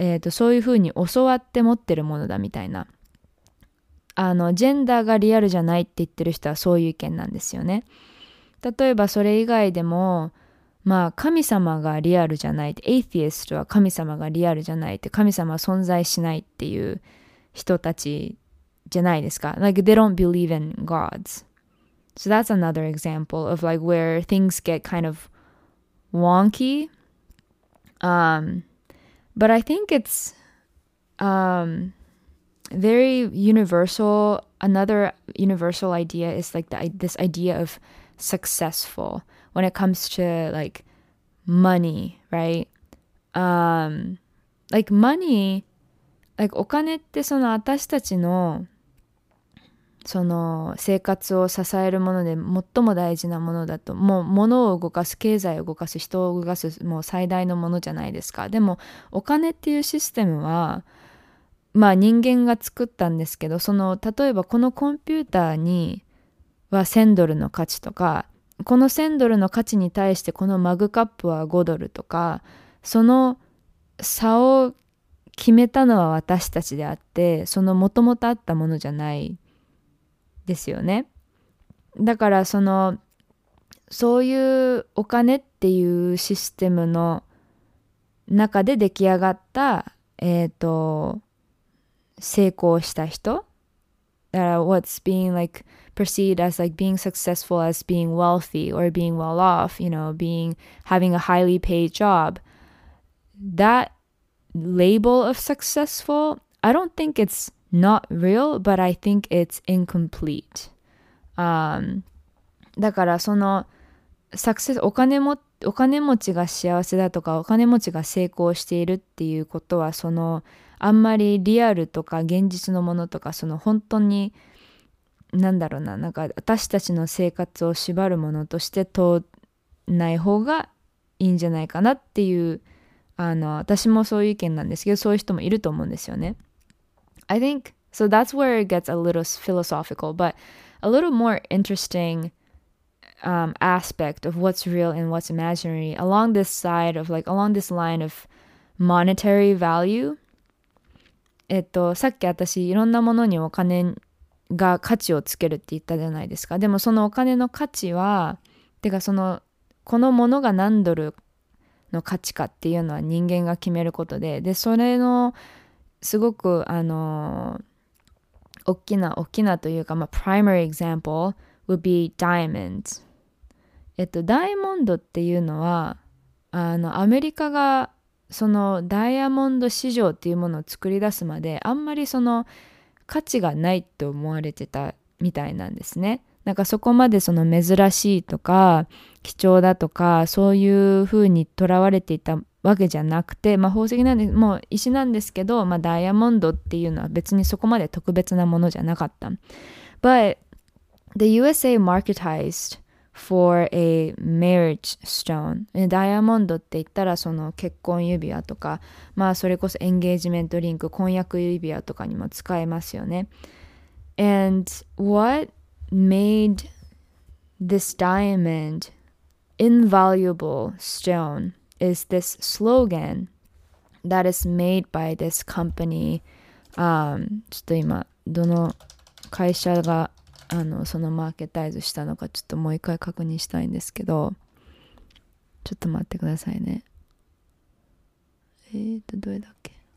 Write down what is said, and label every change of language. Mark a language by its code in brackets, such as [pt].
[ja] そういうふうに教わって持ってるものだみたいな、あのジェンダーがリアルじゃないって言ってる人はそういう意見なんですよね。例えばそれ以外でも、まあ神様がリアルじゃないって、エイティエストは神様がリアルじゃないって、神様は存在しないっていう人たちじゃないですか。 [en] Like they don't believe in gods. So that's another example of like where things get kind of wonky. But I think it's very universal. Another universal idea is like this idea of successful when it comes to like money, right? Like money, like [ja] お金ってその私たちのその生活を支えるもので最も大事なものだと、もう物を動かす、経済を動かす、人を動かす、もう最大のものじゃないですか。でもお金っていうシステムは、まあ人間が作ったんですけど、その例えばこのコンピューターには1000ドルの価値とか、この1000ドルの価値に対してこのマグカップは5ドルとか、その差を決めたのは私たちであって、そのもともとあったものじゃないですよね。だからそのそういうお金っていうシステムの中で出来上がった、成功した人、だから [en] what's being like perceived as like being successful as being wealthy or being well off, you know, being having a highly paid job, that label of successful, I don't think it'sNot real, but I think it's incomplete. [ja] だからそのサクセス、お金持ちが幸せだとか、お金持ちが成功しているっていうことは、そのあんまりリアルとか現実のものとか、その本当に、なんだろうな、なんか私たちの生活を縛るものとして問わない方がいいんじゃないかなっていう、あの、私もそういう意見なんですけど、そういう人もいると思うんですよね。 [en] I think, so that's where it gets a little philosophical, but a little more interesting、aspect of what's real and what's imaginary along this side of like, along this line of monetary value. [ja] さっき私いろんなものにお金が価値をつけるって言ったじゃないですか。でもそのお金の価値は、てかそのこのものが何ドルの価値かっていうのは人間が決めることで、でそれのすごく大きなというか、まあ [en] primary example would be diamonds。 [ja] ダイヤモンドっていうのは、あのアメリカがそのダイヤモンド市場っていうものを作り出すまで、あんまりその価値がないと思われてたみたいなんですね。なんかそこまでその珍しいとか貴重だとかそういうふうにとらわれていたわけじゃなくて、まあ宝石なんで、もう石なんですけど、まあダイヤモンドっていうのは別にそこまで特別なものじゃなかった。 [en] But the USA marketized for a marriage stone. [ja] ダイヤモンドって言ったらその結婚指輪とか、まあそれこそエンゲージメントリング、婚約指輪とかにも使えますよね。 [en] And what made this diamond invaluable stone is this slogan that is made by this company. [ja] ちょっと今どの会社が、あの、そのマーケタイズしたのかちょっともう一回確認したいんですけど、ちょっと待ってくださいね。どれだっけ。